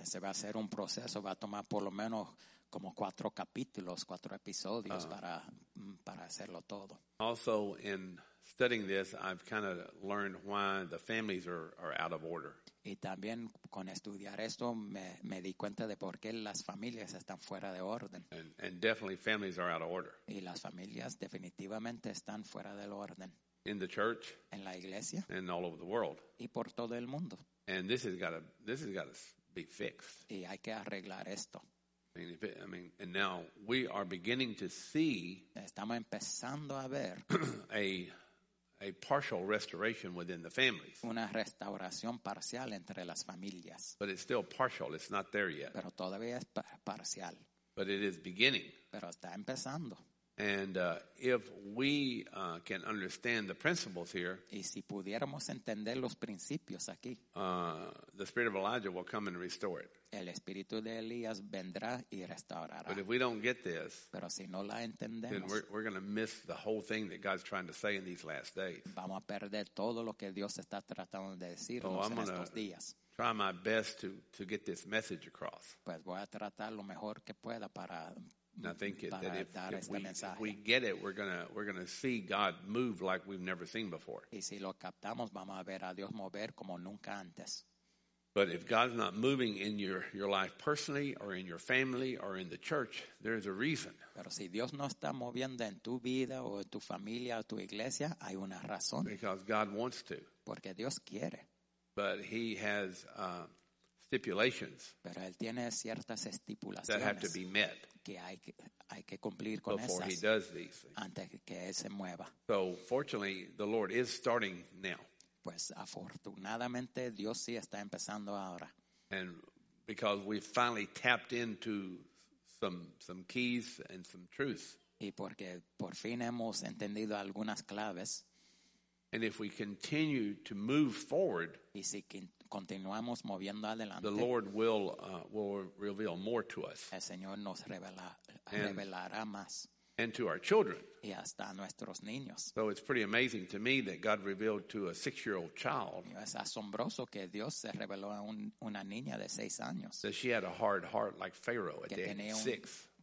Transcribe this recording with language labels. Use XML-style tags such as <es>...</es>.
<es>Se va a hacer un proceso, va a tomar por lo menos como cuatro capítulos, cuatro episodios para hacerlo todo.</es> <en>Also, in studying this, I've kind of learned why the families are out of order.</en> <es>Y también con estudiar esto me di cuenta de por qué las familias están fuera de orden.</es> <en>And definitely families are out of order.</en> <es>Y las familias definitivamente están fuera del orden.</es> <en>In the church.</en> <es>En la iglesia.</es> <en>And all over the world.</en> <es>Y por todo el mundo.</es> <en>And this has got to be fixed.</en> <es>Y hay que arreglar esto.</es> <en>And now we are beginning to see.</en> <es>Estamos empezando a ver.</es> <en>A partial restoration within the families.</en> <es>Una restauración parcial entre las familias.</es> <en>But it's still partial. It's not there yet.</en> <es>Pero todavía es parcial.</es> <en>But it is beginning.</en> <es>Pero está empezando.</es> <en>And if we can understand the principles here.</en> <es>Y si pudiéramos entender los principios aquí.</es> <en>The spirit of Elijah will come and restore it.</en> <es>El espíritu de Elías vendrá y restaurará.</es> <en>But if we don't get this,</en> <es>pero si no la entendemos,</es> <en>then we're going to miss the whole thing that God's trying to say in these last days.</en> <es>Vamos a perder todo lo que Dios está tratando de decirnos en estos días.</es> <en>Try my best to get this message across.</en> <es>Pues voy a tratar lo mejor que pueda para</es> <en>And I think it, that if,</en> <es>dar</es> <en>if,</en> <es>este</es> <en>we,</en> <es>mensaje.</es> <en>If we get it, we're gonna see God move like we've never seen before.</en> <es>Y si lo captamos, vamos a ver a Dios mover como nunca antes.</es> <en>But if God's not moving in your life personally or in your family or in the church, there's a reason.</en> <es>Pero si Dios no está moviendo en tu vida o en tu familia o tu iglesia, hay una razón.</es> <en>Because God wants to.</en> <es>Porque Dios quiere.</es> <en>But He has stipulations.</en> <es>Pero él tiene ciertas estipulaciones</es> <en>that have to be met.</en> <es>Que hay que cumplir con</es> <en>before</en> <es>esas</es> <en>He does these things.</en> <es>Antes que él se mueva.</es> <en>So fortunately, the Lord is starting now.</en> <es>Pues afortunadamente Dios sí está empezando ahora.</es> <en>And because we finally tapped into some keys and some truths.</en> <es>Y porque por fin hemos entendido algunas claves.</es> <en>And if we continue to move forward.</en> <es>Y si continuamos moviendo adelante.</es> <en>The Lord will reveal more to us.</en> <es>El Señor nos revelará más.</es> <en>And to our children.</en> <es>Y hasta nuestros niños.</es> <en>So it's pretty amazing to me that God revealed to a 6-year-old child.</en> <es>Es asombroso que Dios se reveló a una niña de 6 años.</es> <en>That she had a hard heart like Pharaoh at the age of 6.</en>